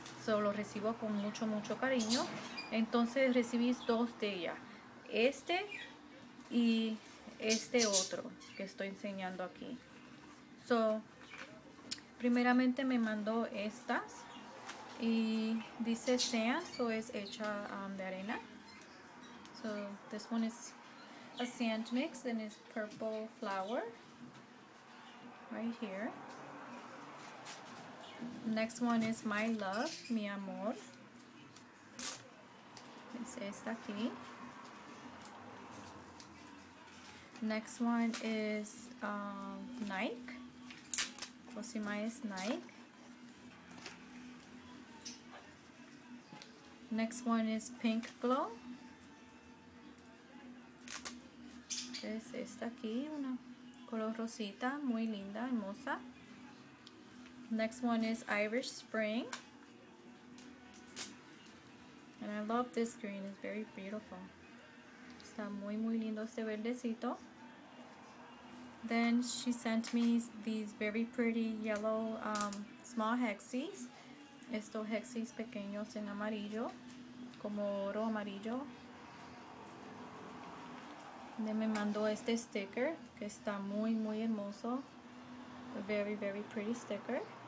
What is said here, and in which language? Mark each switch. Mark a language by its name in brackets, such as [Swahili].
[Spanish] So lo recibo con mucho cariño. Entonces recibí dos de ella, este y este otro que estoy enseñando aquí. So, primeramente me mandó estas, y dice sand, so es hecha de arena. [English] So, this one is a sand mix, and it's purple flower, right here. Next one is my love, [Spanish] mi amor. Es esta aquí. [English] Next one is Nike. Cosima is Nike. Next one is Pink Glow. [Spanish] Es esta aquí, una color rosita, muy linda, hermosa. [English] Next one is Irish Spring. And I love this green, it's very beautiful. [Spanish] Está muy lindo este verdecito. [English] Then she sent me these very pretty yellow small hexies. [Spanish] Estos hexies pequeños en amarillo, como oro amarillo. [English] And then [Spanish] me mandó este sticker, que está muy hermoso. [English] A very pretty sticker.